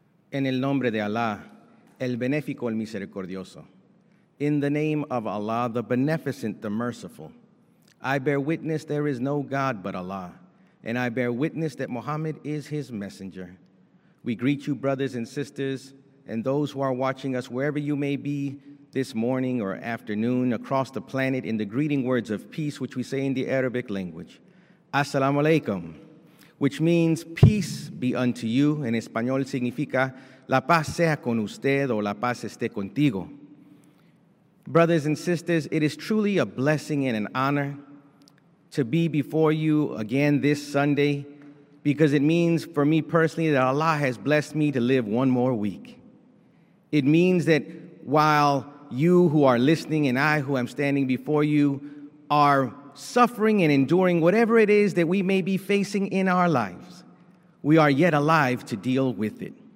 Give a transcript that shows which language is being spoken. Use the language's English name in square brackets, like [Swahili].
[Spanish] En el nombre de Allah, el benéfico, el misericordioso. [English] In the name of Allah, the beneficent, the merciful. I bear witness there is no God but Allah, and I bear witness that Muhammad is his messenger. We greet you, brothers and sisters, and those who are watching us wherever you may be this morning or afternoon across the planet in the greeting words of peace, which we say in the Arabic language. [Arabic] Assalamu alaikum, [English] which means peace be unto you. [Spanish] En español significa la paz sea con usted o la paz esté contigo. [English] Brothers and sisters, it is truly a blessing and an honor to be before you again this Sunday because it means for me personally that Allah has blessed me to live one more week. It means that while you who are listening and I who am standing before you are suffering and enduring whatever it is that we may be facing in our lives, we are yet alive to deal with it.